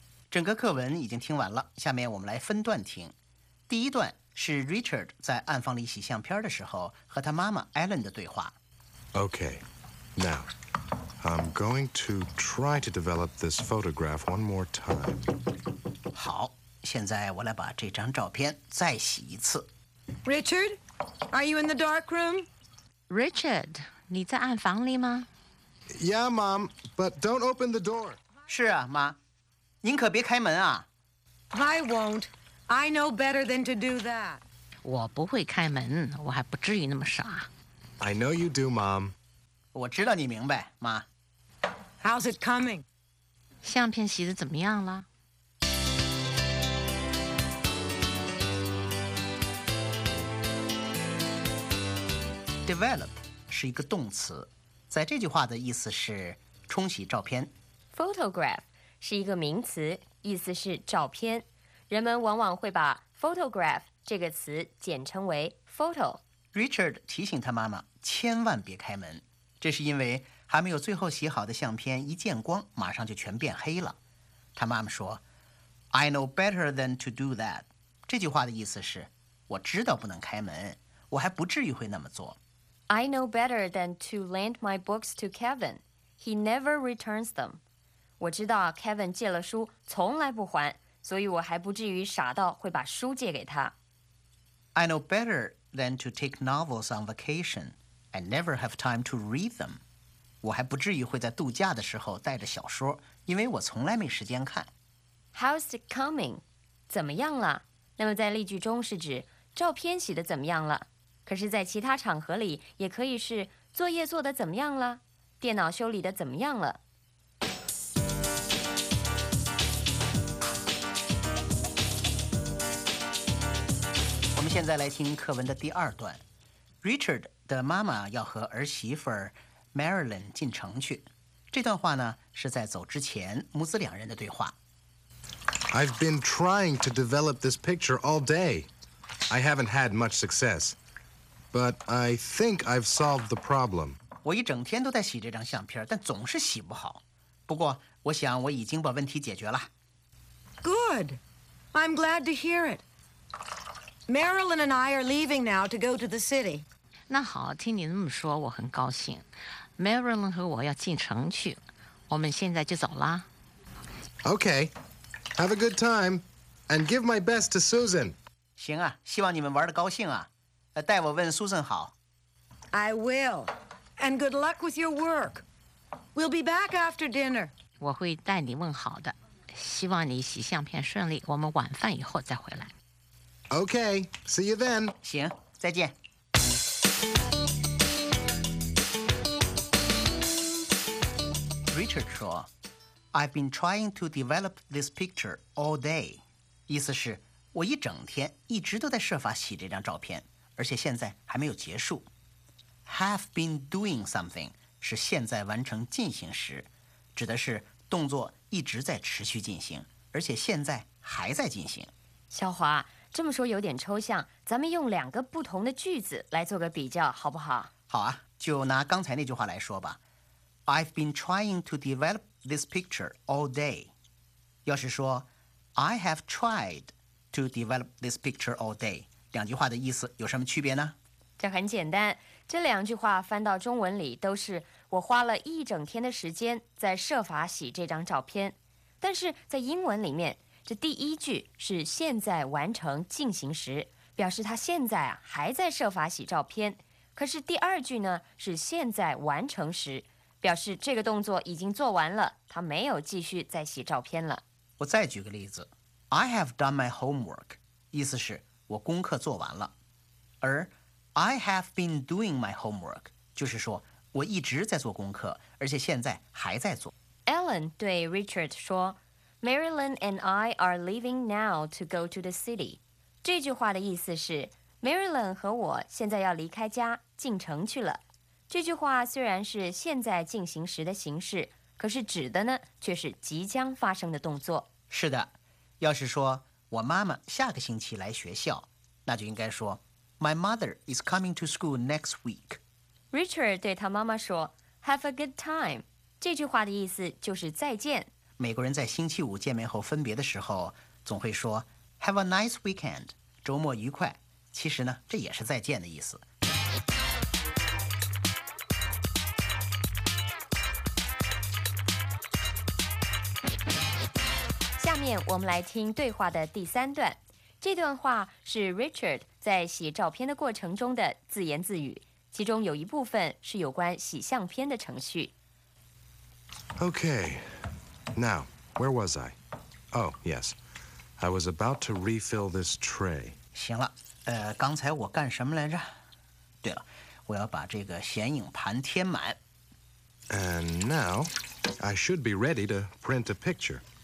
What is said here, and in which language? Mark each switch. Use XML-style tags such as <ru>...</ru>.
<zh>整个课文已经听完了，下面我们来分段听。第一段是 Richard 在暗房里洗相片的时候和他妈妈 Ellen 的对话。</zh> <en>Okay, now... I'm going to try to develop this photograph one more time.</en> <zh>好，现在我来把这张照片再洗一次。</zh> <en>Richard, are you in the dark room?</en> <zh>Richard, 你在暗房里吗？</zh> <en>Yeah, Mom, but don't open the door.</en> <zh>是啊，妈，您可别开门啊。</zh> <en>I won't. I know better than to do that.</en> <zh>我不会开门，我还不至于那么傻。</zh> <en>I know you do, Mom.</en> <zh>我知道你明白，妈。</zh> <en>How's it coming?</en> <zh>相片洗得怎么样了？ Develop 是一个动词，在这句话的意思是冲洗照片。 Photograph 是一个名词，意思是照片。人们往往会把 photograph 这个词简称为 photo。 Richard 提醒他妈妈千万别开门，这是因为还没有最后洗好的相片一见光马上就全变黑了。他妈妈说</zh> <en>I know better than to do that，</en> <zh>这句话的意思是我知道不能开门，我还不至于会那么做。</zh> <en>I know better than to lend my books to Kevin， he never returns them。</en> <zh>我知道 Kevin 借了书从来不还，所以我还不至于傻到会把书借给他。</zh> <en>I know better than to take novels on vacation， I never have time to read them。</en> <zh>我还不至于会在度假的时候带着小说，因为我从来没时间看。</zh> <en>How's it coming？</en> <zh>怎么样了？那么在例句中是指照片洗得怎么样了，可是在其他场合里也可以是作业做得怎么样了，电脑修理得怎么样了。我们现在来听课文的第二段。Richard 的妈妈要和儿媳妇儿Marilyn 进城去，这段话呢是在走之前母子两人的对话。</zh> <en>I've been trying to develop this picture all day. I haven't had much success, but I think I've solved the problem.</en> <zh>我一整天都在洗这张相片，但总是洗不好。不过，我想我已经把问题解决了。</zh> <en>Good. I'm glad to hear it. Marilyn and I are leaving now to go to the city.</en> <zh>那好，听你那么说我很高兴。Marilyn 和我要进城去，我们现在就走啦。</zh> <en>OK, have a good time and give my best to Susan.</en> <zh>行啊，希望你们玩得高兴啊，代我问 Susan 好。</zh> <en>I will, and good luck with your work. We'll be back after dinner.</en> <zh>我会代你问好的，希望你洗相片顺利，我们晚饭以后再回来。</zh> <en>OK, see you then.</en> <zh>行，再见。</zh> <en>Richard 说 I've been trying to develop this picture all day.</en> <zh>意思是我一整天一直都在设法洗这张照片，而且现在还没有结束。</zh> <en>Have been doing something</en> <zh>是现在完成进行时，指的是动作一直在持续进行，而且现在还在进行。小华，这么说有点抽象，咱们用两个不同的句子来做个比较好不好？好啊，就拿刚才那句话来说吧。</zh> <en>I've been trying to develop this picture all day.</en> <zh>要是说</zh> <en>I have tried to develop this picture all day.</en> <zh>两句话的意思有什么区别呢？这很简单，这两句话翻到中文里都是我花了一整天的时间在设法洗这张照片。但是在英文里面，这第一句是现在完成进行时，表示他现在啊还在设法洗照片。可是第二句呢是现在完成时，表示这个动作已经做完了，他没有继续再洗照片了。我再举个例子 ，</zh> <en>I have done my homework，</en> <zh>意思是我功课做完了。而</zh> <en>I have been doing my homework，</en> <zh>就是说我一直在做功课，而且现在还在做。</zh> <en>Ellen 对 Richard 说 ，Marilyn and I are leaving now to go to the city。</en> <zh>这句话的意思是 ，Marilyn 和我现在要离开家，进城去了。这句话虽然是现在进行时的形式，可是指的呢却是即将发生的动作。是的，要是说我妈妈下个星期来学校，那就应该说</zh> <en>My mother is coming to school next week. Richard</en> <zh>对他妈妈说</zh> <en>Have a good time.</en> <zh>这句话的意思就是再见。美国人在星期五见面后分别的时候总会说</zh> <en>Have a nice weekend.</en> <zh>周末愉快。其实呢这也是再见的意思。面我们来听对话的第三段。这段话是 Richard 在洗照片的过程中的自言自语，其中有一部分是有关洗相片的程序。</zh> <en>Okay, now, where was I? Oh, yes, I was about to refill this tray.</en> <zh>行了，刚才我干什么来着？对了，我要把这个显影盘填满。</zh> <en>And now, I should be ready to print a picture.</en>